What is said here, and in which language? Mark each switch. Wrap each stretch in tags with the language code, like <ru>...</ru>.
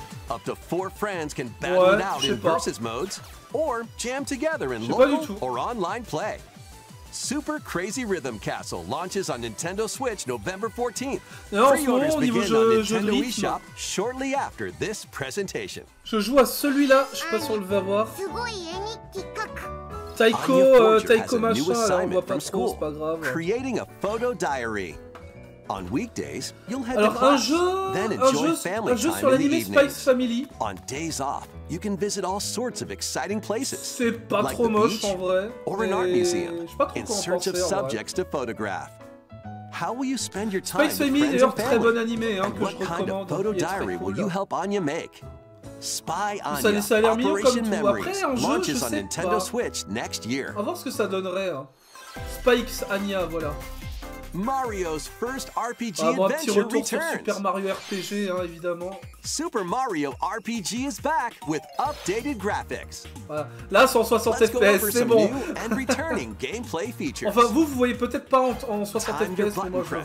<en>Up to four friends can battle it out in versus modes, or jam together in local or online play. Super Crazy Rhythm Castle launches on Nintendo Switch November 14th. Pre-orders begin on Nintendo eShop shortly after this presentation.</en> <fr>Je joue à celui-là, je sais pas si on le va voir. Taiko machin, on voit pas trop, c'est pas grave.</fr> <en>Creating a photo diary. On weekdays, you'll head to class, then enjoy family time in the evenings. On days off, you can visit all sorts of exciting places, like the beach or an art museum, in search of subjects to photograph. How will you spend your time with friends and family? What kind of photo diary will you help Anya make? Spy Anya, Operation Memories, launches on Nintendo Switch next year.</en> <fr>On va voir ce que ça donnerait. Spy X Anya, voilà.</fr> <en>Mario's first RPG adventure returns.</en> <fr>Super Mario RPG, hein, évidemment.</fr> <en>Super Mario RPG is back with updated graphics.</en> <fr>Voilà. Là, 160 FPS, c'est bon.</fr> <en>And returning gameplay features.</en> <fr>Enfin, vous voyez peut-être pas en 60 FPS, mais moi, je vois.</fr>